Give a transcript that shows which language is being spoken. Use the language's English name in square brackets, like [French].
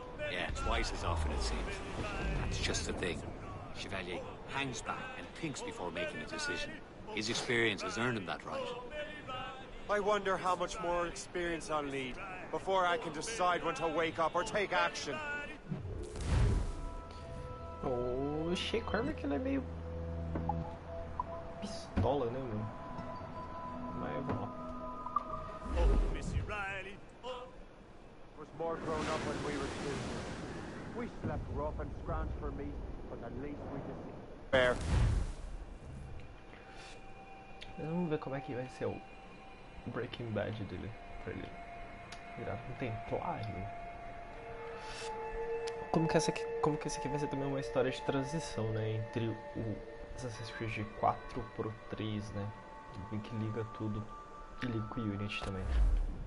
[English] Yeah, twice as often, it seems. That's just the thing. Chevalier hangs back and thinks before making a decision. His experience has earned him that right. I wonder how much more experience I'll need before I can decide when to wake up or take action. [Portuguese] Oxê, Carmen, que ela é meio pistola, né, meu? Mas é bom. Oh, Miss [English] Riley. Oh. Was more grown up when we were children. We slept rough and scrounged for meat, but at least we could see. Fair. [Portuguese] Vamos ver como é que vai ser o Breaking Bad dele pra ele virar um templário. Como que essa aqui vai ser também uma história de transição, né, entre o Assassin's Creed 4 pro 3, né, que liga tudo e liga com o Unity também, né.